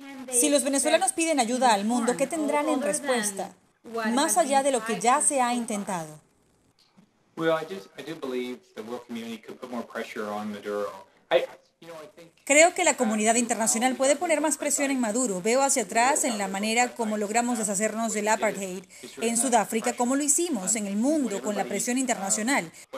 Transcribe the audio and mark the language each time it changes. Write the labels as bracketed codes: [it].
[es] si los venezolanos piden ayuda al mundo, ¿qué tendrán en respuesta, más allá de lo que ya se ha intentado? [en] Well, I do believe the world community could put more pressure on Maduro. I, [es] Creo que la comunidad internacional puede poner más presión en Maduro. Veo hacia atrás en la manera como logramos deshacernos del apartheid en Sudáfrica, como lo hicimos en el mundo con la presión internacional.